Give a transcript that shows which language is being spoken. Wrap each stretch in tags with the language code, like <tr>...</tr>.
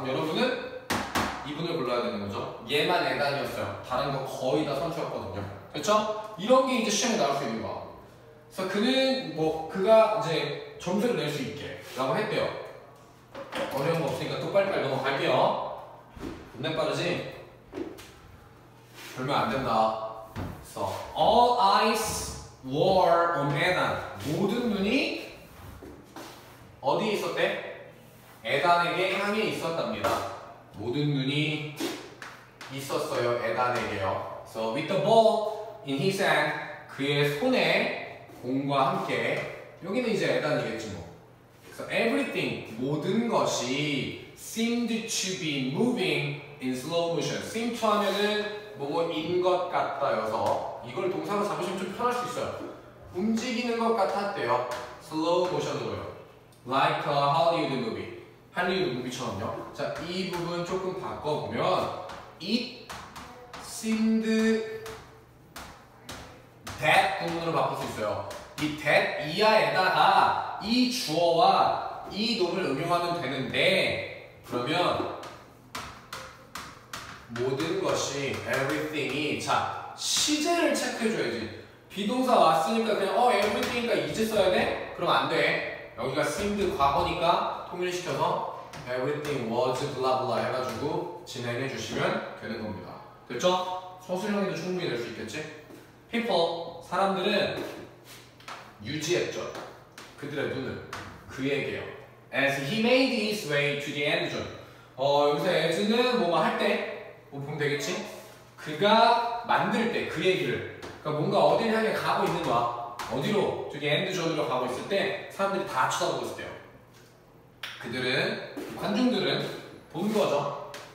<ko>그럼 여러분은 이분을 골라야 되는 거죠. 얘만 애단이었어요. 다른 거 거의 다 선수였거든요. 그쵸? 이런 게 이제 시험에 나올 수 있는 거야. 그래서 그는 뭐, 그가 이제 점수를 낼 수 있게 라고 했대요. 어려운 거 없으니까 또 빨리빨리 넘어갈게요. 겁나 빠르지? 별명 안 된다.</ko> <en>So, all eyes were on 에단.</en> <ko>모든 눈이 어디에 있었대? 에단에게 향해 있었답니다. 모든 눈이 있었어요, 에단에게요.</ko> <en>So, with the ball in his hand,</en> <ko>그의 손에 공과 함께, 여기는 이제 에단이겠지 뭐.</ko> <en>So, everything,</en> <ko>모든 것이</ko> <en>seemed to be moving in slow motion.</en> <ko>seem to 하면은 뭐인 것 같다여서 이걸 동사로 잡으시면 좀 편할 수 있어요. 움직이는 것 같았대요. slow motion으로요.</ko> <en>like a Hollywood movie.</en> <ko>할리우드 무비처럼요. 자, 이 부분 조금 바꿔보면</ko> <en>it seemed that</en> <ko>부분으로 바꿀 수 있어요. 이 that 이하에다가 이 주어와 이 놈을 응용하면 되는데, 그러면 모든 것이 everything이, 자, 시제를 체크해줘야지. 비동사 왔으니까 그냥 everything이니까 이제 써야 돼? 그럼 안 돼. 여기가 seemed 과거니까 통일시켜서</ko> <en>everything was blah blah</en> <ko>해가지고 진행해 주시면 되는 겁니다. 됐죠? 서술형이도 충분히 될 수 있겠지? People, 사람들은 유지했죠. 그들의 눈을 그에게요.</ko> <en>As he made his way to the end zone.</en> <ko>여기서 as는 뭐뭐 할 때 뭐 보면 되겠지? 그가 만들 때, 그 얘기를. 그러니까 뭔가 어딜 향해 가고 있는 거야. 어디로? 저기 엔드 존으로 가고 있을 때 사람들이 다 쳐다보고 있을 때요. 그들은, 관중들은 본 거죠.</ko>